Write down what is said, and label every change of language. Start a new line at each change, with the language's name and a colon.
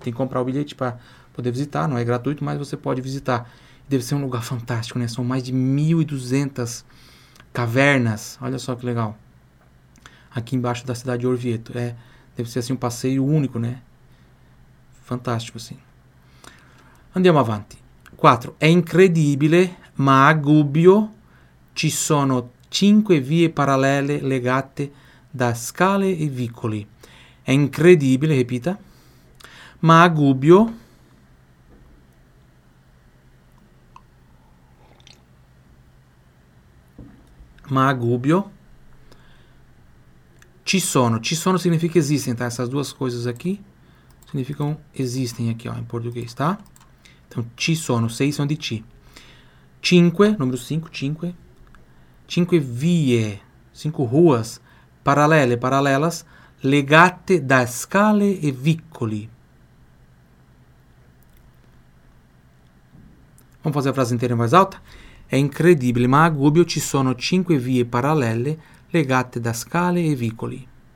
Portuguese: Você tem que comprar o bilhete para poder visitar, não é gratuito, mas você pode visitar. Deve ser um lugar fantástico, né? São mais de 1.200 cavernas. Olha só que legal. Aqui embaixo da cidade de Orvieto. Deve ser assim um passeio único, né? Fantástico, assim.
Italian: Andiamo avanti.
Portuguese: 4.
Italian: È incredibile, ma a Gubbio ci sono 5 vie parallele legate da scale e vicoli. È incredibile, ripeta. Ma a Gubbio. Ma a Gubbio. Ci sono. Ci sono
Portuguese: significa existem, tá? Essas duas coisas aqui significam existem aqui, ó, em português, tá? Então,
Italian: ci sono.
Portuguese: Sei são de ti. Cinque, número 5, cinque.
Italian: Cinque vie.
Portuguese: Cinco ruas.
Italian: Parallele,
Portuguese: paralelas.
Italian: Legate da scale e vicoli.
Portuguese: Vamos fazer a frase inteira em voz alta?
Italian: È incredibile, ma a Gubbio ci sono 5 vie parallele legate da scale e vicoli.